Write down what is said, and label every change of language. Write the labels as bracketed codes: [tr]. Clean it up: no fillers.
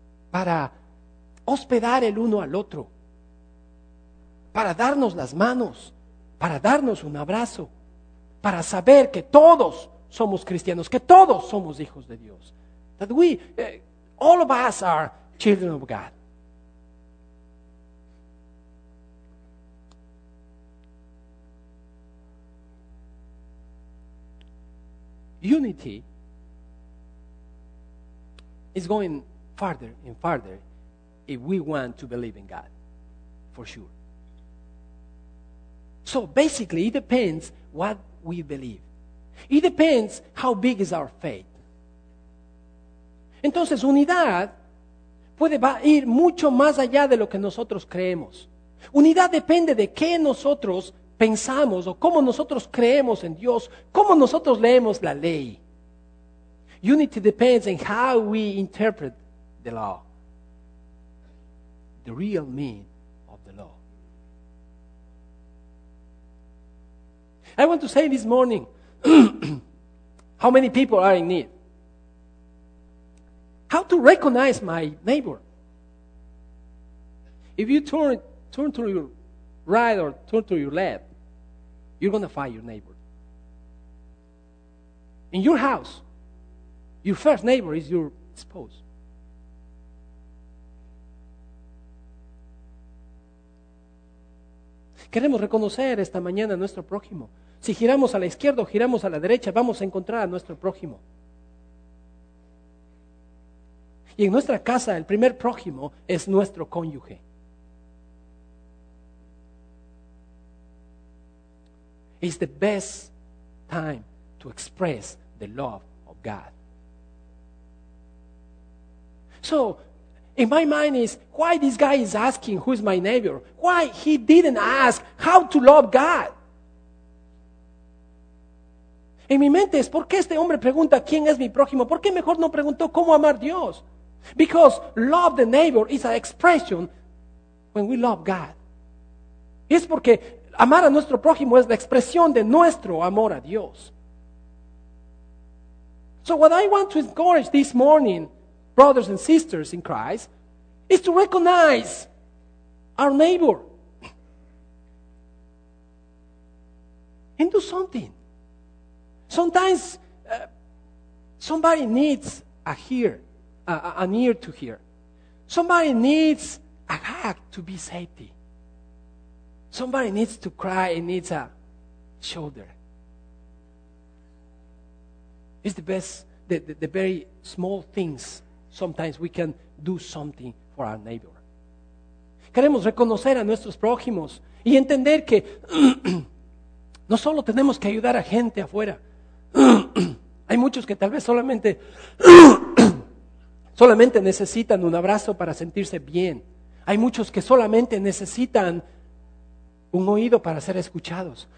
[es] Para hospedar el uno al otro, para darnos las manos, para darnos un abrazo, para saber que todos somos cristianos, que todos somos hijos de Dios. [en] That we, all of us are children of God. Unity is going farther and farther if we want to believe in God, for sure. So basically, it depends what we believe. It depends how big is our faith. [es] Entonces, unidad puede ir mucho más allá de lo que nosotros creemos. Unidad depende de qué nosotros pensamos o cómo nosotros creemos en Dios, cómo nosotros leemos la ley. [en] Unity depends on how we interpret the law, the real meaning of the law. I want to say this morning, how many people are in need? How to recognize my neighbor? If you turn to your right or turn to your left, you're going to find your neighbor. In your house, your first neighbor is your spouse. [es] Queremos reconocer esta mañana a nuestro prójimo. Si giramos a la izquierda o giramos a la derecha, vamos a encontrar a nuestro prójimo. Y en nuestra casa, el primer prójimo es nuestro cónyuge. [en] It's the best time to express the love of God. So, in my mind is, why this guy is asking who is my neighbor? Why he didn't ask how to love God? [es] En mi mente es, ¿por qué este hombre pregunta quién es mi prójimo? ¿Por qué mejor no preguntó cómo amar a Dios? [en] Because love the neighbor is an expression when we love God. [es] Es porque amar a nuestro prójimo es la expresión de nuestro amor a Dios. [en] So what I want to encourage this morning, brothers and sisters in Christ, is to recognize our neighbor and do something. Sometimes somebody needs an ear to hear. Somebody needs a hug to be safety. Somebody needs to cry and needs a shoulder. It's the best the very small things, sometimes we can do something for our neighbor. [es] Queremos reconocer a nuestros prójimos y entender que no solo tenemos que ayudar a gente afuera. Hay muchos que tal vez solamente necesitan un abrazo para sentirse bien. Hay muchos que solamente necesitan un oído para ser escuchados.